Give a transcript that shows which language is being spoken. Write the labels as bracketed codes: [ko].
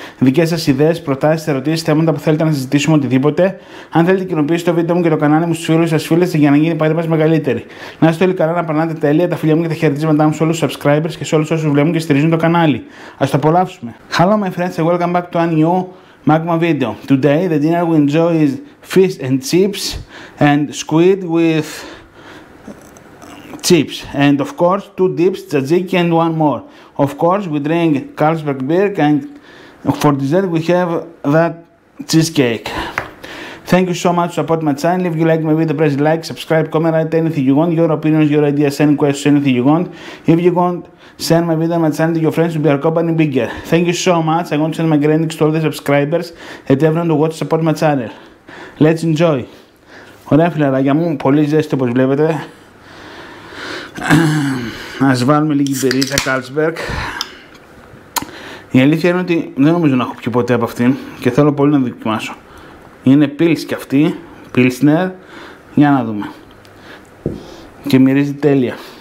[el] Δικές σας ιδέες, προτάσεις, ερωτήσεις, θέματα που θέλετε να συζητήσουμε, οτιδήποτε. Αν θέλετε, κοινοποιήστε το βίντεο μου και το κανάλι μου στους φίλους σας, φίλες, για να γίνει η παρέμβαση μεγαλύτερη. Να είστε όλοι καλά, να περνάτε τέλεια. Τα φιλιά μου και τα χαιρετίσματά μου σε όλους τους subscribers και σε όλους όσους βλέπουν και στηρίζουν το κανάλι. Ας το απολαύσουμε. [en] Hello my friends, and welcome back to a new Magma video. Today the dinner we enjoy is fish and chips and squid with chips and of course two dips, tzatziki and one more. Of course we drink Carlsberg beer and for dessert we have that cheesecake. Thank you so much for supporting my channel. If you like my video, press like, subscribe, comment, write anything you want, your opinions, your ideas, any questions, anything you want. If you want, send my video and my channel to your friends to be our company bigger. Thank you so much. I want to send my greetings to all the subscribers and everyone who wants to support my channel. Let's enjoy. [el] Ωραία φιλαράκια μου, πολύ ζέστη όπως βλέπετε. Ας βάλουμε λίγη μπερίζα Carlsberg. Η αλήθεια είναι ότι δεν νομίζω να έχω πιει ποτέ από αυτήν και θέλω πολύ να δοκιμάσω. Είναι πίλς κι αυτή, πίλσνερ. Για να δούμε. Και μυρίζει τέλεια.